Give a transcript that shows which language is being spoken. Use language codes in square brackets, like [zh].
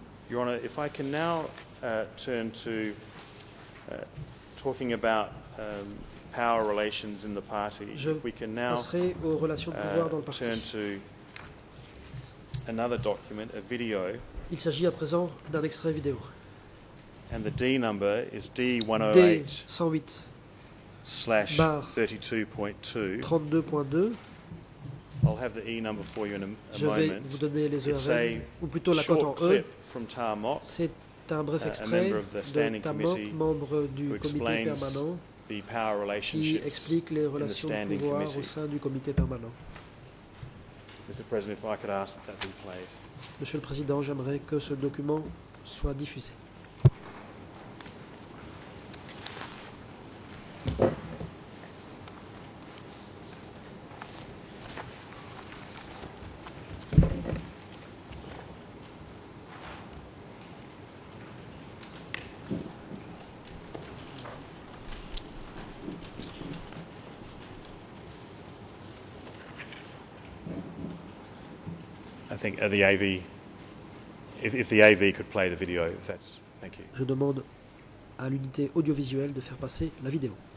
[en] Your Honor, if I can now turn to talking about power relations in the party, if we can now turn to another document, a video. [fr] Il s'agit à présent d'un extrait vidéo. [en] And the D number is D108 /32.2. I'll have the E number for you in a moment. [fr] Je vais vous donner les ERV, ou plutôt la cote en E. [en] From Tahar Mok, [fr] c'est un bref extrait de Tahar Mok, membre du comité permanent, [en] the power relationships [fr] qui explique les relations de pouvoir au sein du comité permanent. [en] Mr. President, if I could ask that be played. [fr] Monsieur le Président, j'aimerais que ce document soit diffusé. [en] I think the AV, if the AV could play the video, if that's, thank you. [fr] Je demande à l'unité audiovisuelle de faire passer la vidéo.